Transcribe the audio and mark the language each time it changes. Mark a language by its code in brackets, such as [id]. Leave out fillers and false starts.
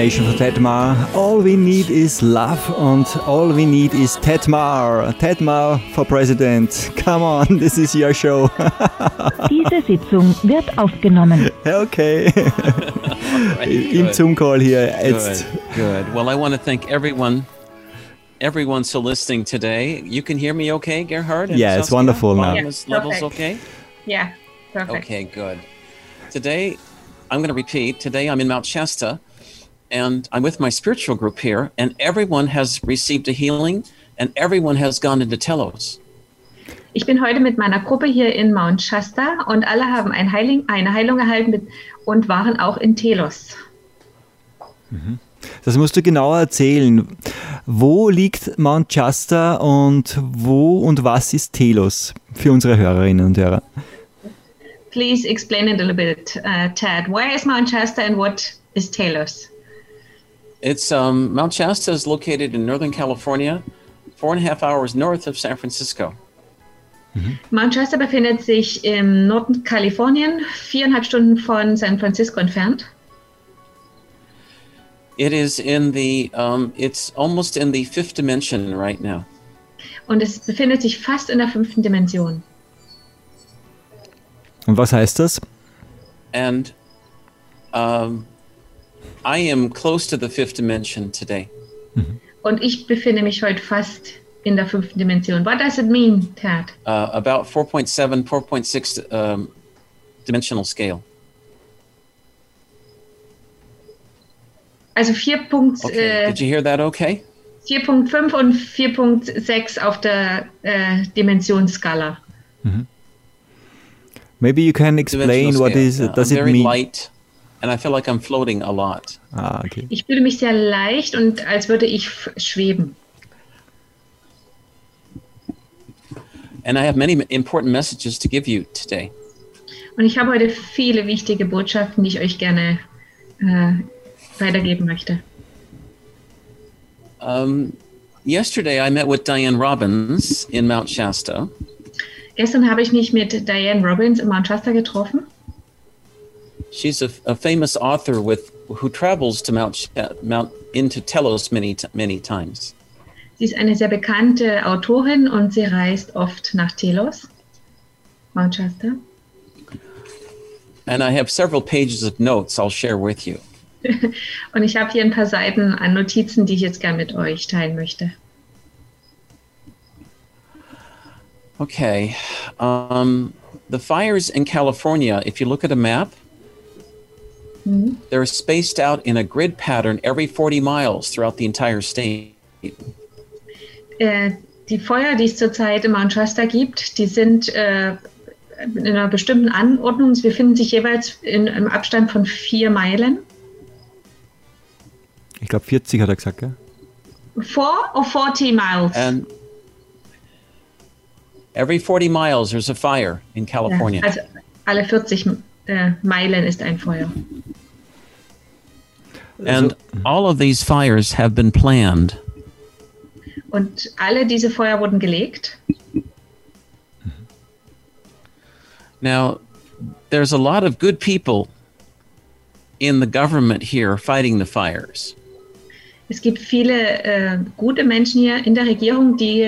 [en] For Ted Ma. All we need is love and all we need is Ted Ma. Ted Ma for president. Come on, this is your show. [de] Diese Sitzung wird aufgenommen. Okay. [en] Right, [de] im Zoom call hier. [en] Good. Well, I want to thank everyone so listening today. You can hear me okay, Gerhard? Yeah, it's Saskia? Wonderful now. Levels okay? Yeah, perfect. Okay, good. Today, I'm going to repeat, today I'm in Mount Shasta. And I'm with my spiritual group here, and everyone has received a healing, and everyone has gone into Telos. [de] Ich bin heute mit meiner Gruppe hier in Mount Shasta, und alle haben eine Heilung erhalten und waren auch in Telos. Das musst du genauer erzählen. Wo liegt Mount Shasta und wo und was ist Telos für unsere Hörerinnen und Hörer? [en] Please explain it a little bit, Ted. Where is Mount Shasta and what is Telos? It's Mount Shasta is located in Northern California, 4.5 hours north of San Francisco. [de] Mount Shasta befindet sich im Norden Kalifornien, 4,5 Stunden von San Francisco entfernt. [en] It is in the, it's almost in the fifth dimension right now. [de] Und es befindet sich fast in der fünften Dimension. Und was heißt das? [en] And I am close to the fifth dimension today. [de] Und ich befinde mich heute fast in der fünften Dimension. [en] What does it mean, Tad? About 4.7, 4.6 dimensional scale. [de] Also 4. Punkt, [en] okay. Did you hear that okay? [de] 4.5 und 4.6 auf der Dimensionsskala. [en] Maybe you can explain what is does I'm it mean? Light and I feel like I'm floating a lot. Ah, okay. [de] Ich fühle mich sehr leicht und als würde ich schweben. [en] And I have many important messages to give you today. [de] Und ich habe heute viele wichtige Botschaften, die ich euch gerne weitergeben möchte. [en] Yesterday I met with Diane Robbins in Mount Shasta. [de] Gestern habe ich mich mit Diane Robbins in Mount Shasta getroffen. [en] She's a famous author with who travels to Mount into Telos many times. [de] Sie ist eine sehr bekannte Autorin und sie reist oft nach Telos, Mount Shasta. [en] And I have several pages of notes I'll share with you. [de] Und ich habe hier ein paar Seiten an Notizen, die ich jetzt gerne mit euch teilen möchte. [en] Okay. The fires in California, if you look at a map, they're spaced out in a grid pattern every 40 miles throughout the entire state. [de] Die Feuer, die es zurzeit in Mount Shasta gibt, die sind in einer bestimmten Anordnung. Sie befinden sich jeweils in einem Abstand von 4 Meilen. Ich glaube 40 hat er gesagt, gell? [en] 4 or 40 miles? And every 40 miles there's a fire in California. [de] Ja, also alle 40 Meilen ist ein Feuer. [en] And all of these fires have been planned. [de] Und alle diese Feuer wurden gelegt. [en] Now, there's a lot of good people in the government here fighting the fires. [de] Es gibt viele gute Menschen hier in der Regierung, die